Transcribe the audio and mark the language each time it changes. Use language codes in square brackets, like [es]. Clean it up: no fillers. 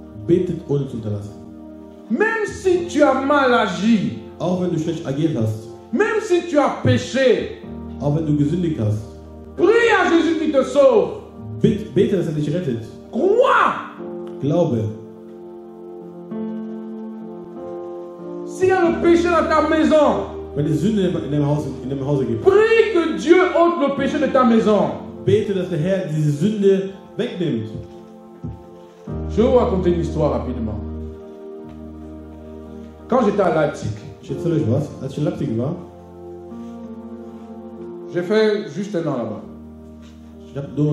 [de] Betet ohne zu unterlassen. [fr] Même si tu as mal agi. [de] Auch wenn du schlecht agiert hast. [fr] Même si tu as péché. [de] Auch wenn du gesündigt hast. [fr] Prie à Jésus qui te sauve. [de] Bete, dass er dich rettet. [fr] Crois. [de] Glaube. [fr] S'il y a le péché dans ta maison. [de] Wenn es Sünde in deinem Haus, gibt. [fr] Prie que Dieu ôte le péché de ta maison. [de] Bete, dass der Herr diese Sünde wegnimmt. [fr] Je vais vous raconter une histoire rapidement. Quand j'étais à Leipzig, j'ai fait juste un an là-bas.